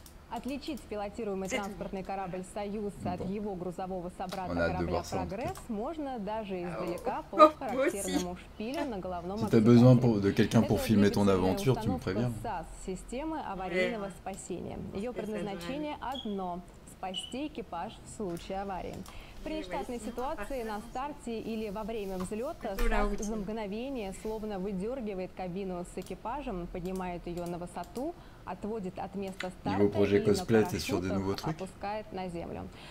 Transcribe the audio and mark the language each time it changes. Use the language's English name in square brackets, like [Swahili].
[Russian] Отличить пилотируемый транспортный корабль «Союз» от его грузового собрата корабля «Прогресс» можно даже издалека по характерному шпилю на головном аппарате. [French] Si tu as besoin de quelqu'un pour filmer ton aventure, tu me préviens. [Russian] SAS, системы аварийного спасения. Ее предназначение одно – спасти экипаж в случае аварии. При штатной ситуации на старте или во время взлета за мгновение словно выдергивает кабину с экипажем, поднимает ее на высоту, отводит от места старта и опускает на землю.